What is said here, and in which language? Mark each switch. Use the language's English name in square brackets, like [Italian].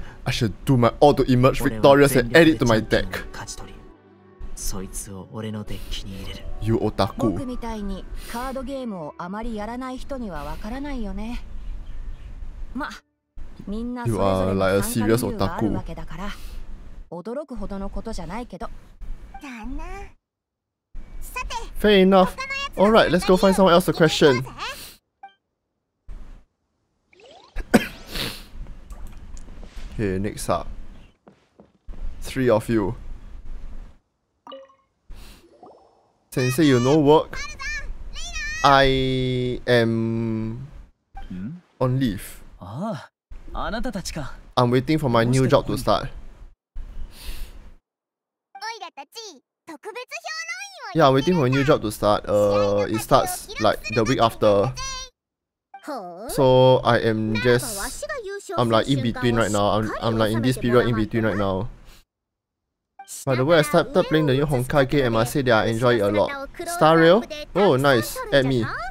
[English] I should do my all to emerge victorious and add it to my deck. [Japanese] そいつを俺のデッキに入れる。 [English] You otaku. [Japanese] 僕みたいにカードゲームをあまりやらない人にはわからないよね。ま、みんなそれぞれ参加理由があるわけだから、驚くほどのことじゃないけど。だな。 [English] Fair enough. All right, let's go find someone else to question. Okay, next up, three of you. Sensei, you know work. I am on leave. [Japanese] Ah, あなたたちか。 [English] I'm waiting for my new job to start. [Japanese] おいらたち特別評論員。 [English] Yeah, I'm waiting for a new job to start. It starts like the week after. So I'm like in between right now. I'm like in this period in between right now. By the way, I started playing the new Honkai game and I say that I enjoy it a lot. Star Rail? Oh, nice. Add me.